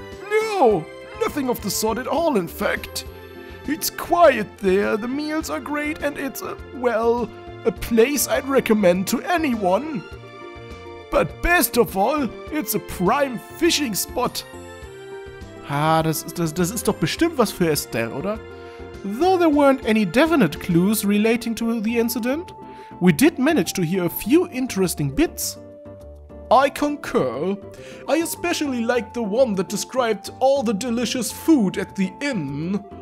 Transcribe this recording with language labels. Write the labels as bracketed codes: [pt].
[en] No, nothing of the sort at all, in fact. It's quiet there, the meals are great, and it's a place I'd recommend to anyone. But best of all, it's a prime fishing spot. [de] Ah, das ist doch bestimmt was für Estelle, oder? [en] Though there weren't any definite clues relating to the incident, we did manage to hear a few interesting bits. I concur. I especially like the one that described all the delicious food at the inn.